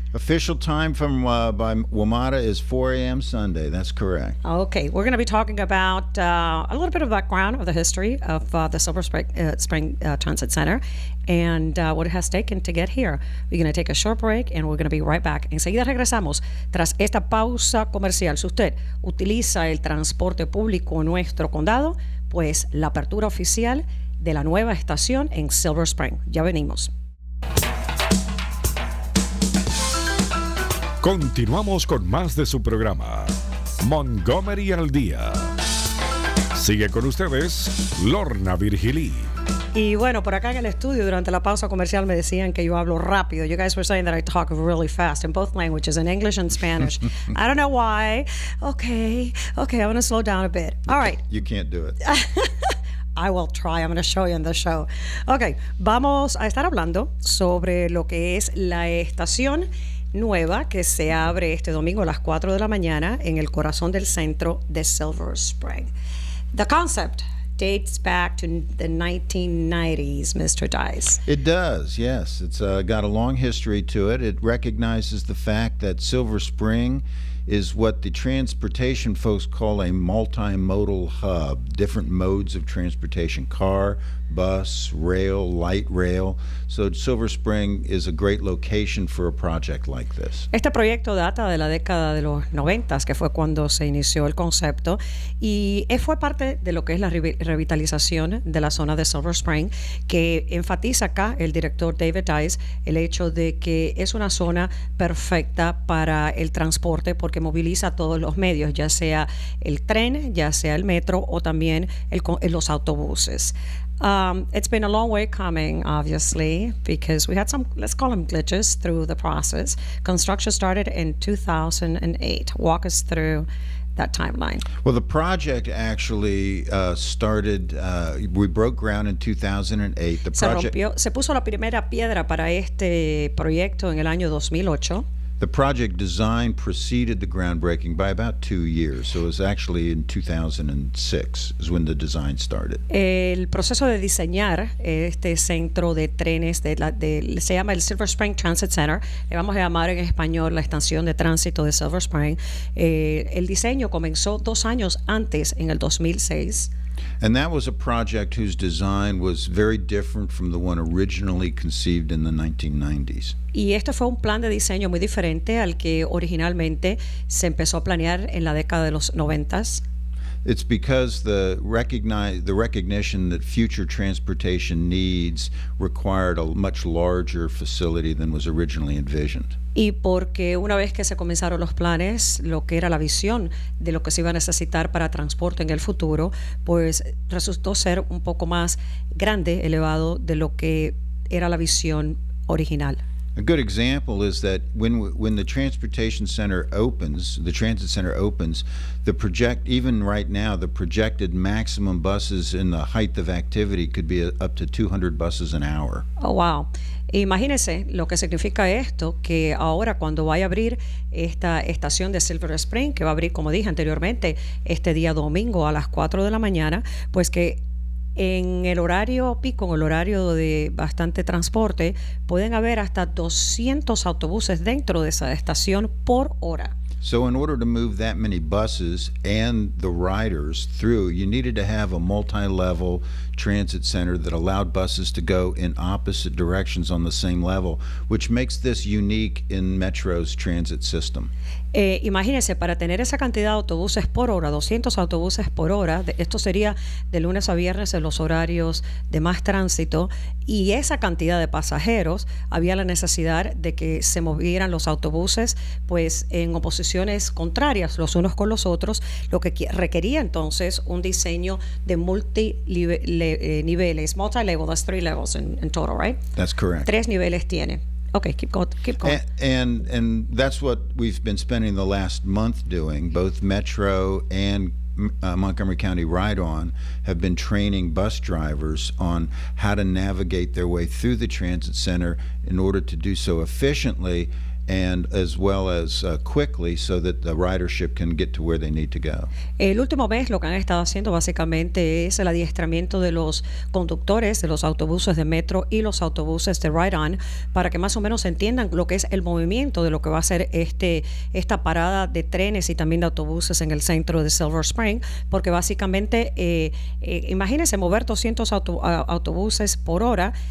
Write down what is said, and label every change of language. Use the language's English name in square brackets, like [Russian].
[English] Official time from by WMATA is 4 a.m. Sunday. That's correct. Okay. We're going to be talking about a little bit of background of the history of the Silver Spring Transit Center and what it has taken to get here. We're going to take a short break and we're going to be right back. [Spanish] Enseguida regresamos tras esta pausa comercial. Si usted utiliza el transporte público en nuestro condado, pues la apertura oficial de la nueva estación en Silver Spring. Ya venimos. Continuamos con más de su programa, Montgomery al día. Sigue con ustedes, Lorna Virgili. Y bueno, por acá en el estudio, durante la pausa comercial, me decían que yo hablo rápido. [English] You guys were saying that I talk really fast in both languages, in English and Spanish. I don't know why. Okay, I'm going to slow down a bit. All right. You can't do it. I will try. I'm going to show you in the show. [Spanish] Okay, vamos a estar hablando sobre lo que es la estación nueva que se abre este domingo a las 4 de la mañana en el corazón del centro de Silver Spring. [English] The concept dates back to the 1990s, Mr. Dice. It does, yes. It's got a long history to it. It recognizes the fact that Silver Spring is what the transportation folks call a multimodal hub, different modes of transportation, car, bus, rail, light rail. So Silver Spring is a great location for a project like this. [Spanish] Este proyecto data de la década de los 90s, que fue cuando se inició el concepto, y fue parte de lo que es la revitalización de la zona de Silver Spring, que enfatiza acá el director David Dice el hecho de que es una zona perfecta para el transporte porque moviliza todos los medios, ya sea el tren, ya sea el metro o también los autobuses. [English] It's been a long way coming, obviously, because we had some, let's call them glitches through the process. Construction started in 2008. Walk us through that timeline. Well, the project actually started, we broke ground in 2008. The [Spanish] project se puso la primera piedra para este proyecto en el año 2008. [English] The project design preceded the groundbreaking by about 2 years, so it was actually in 2006 is when the design started. [Spanish] El proceso de diseñar este centro de trenes se llama el Silver Spring Transit Center. Le vamos a llamar en español la estación de tránsito de Silver Spring. El diseño comenzó 2 años antes, en el 2006. [English] And that was a project whose design was very different from the one originally conceived in the 1990s. [Spanish] Y esto fue un plan de diseño muy diferente al que originalmente se empezó a planear en la década de los 90s. [English] It's because the recognition that future transportation needs required a much larger facility than was originally envisioned. [Spanish] Y porque una vez que se comenzaron los planes, lo que era la visión de lo que se iba a necesitar para transporte en el futuro, pues resultó ser un poco más grande, elevado, de lo que era la visión original. [English] A good example is that when the transportation center opens, the transit center opens, even right now, the projected maximum buses in the height of activity could be up to 200 buses an hour. Oh, wow. [Spanish] Imagínese lo que significa esto, que ahora cuando vaya a abrir esta estación de Silver Spring, que va a abrir, como dije anteriormente, este día domingo a las 4 de la mañana, pues que en el horario pico, en el horario de bastante transporte, pueden haber hasta 200 autobuses dentro de esa estación por hora. [English] So in order to move that many buses and the riders through, you needed to have a multi-level transit center that allowed buses to go in opposite directions on the same level, which makes this unique in Metro's transit system. [Spanish] Imagínese, para tener esa cantidad de autobuses por hora, 200 autobuses por hora, esto sería de lunes a viernes en los horarios de más tránsito, y esa cantidad de pasajeros, había la necesidad de que se movieran los autobuses pues en oposiciones contrarias los unos con los otros, lo que requería entonces un diseño de multi-niveles, [English] multi-level, that's three levels in total, right? That's correct. [Spanish] Tres niveles tiene. [English] Okay, keep going. And that's what we've been spending the last month doing. Both Metro and Montgomery County Ride-On have been training bus drivers on how to navigate their way through the transit center in order to do so efficiently and as well as quickly so that the ridership can get to where they need to go. [Spanish] El último mes lo que han estado haciendo básicamente es el adiestramiento de los conductores de los autobuses de Metro y los autobuses de Ride-On para que más o menos entiendan lo que es el movimiento de lo que va a ser esta parada de trenes y también de autobuses en el centro de Silver Spring, porque básicamente imagínense mover 200 autobuses por hora.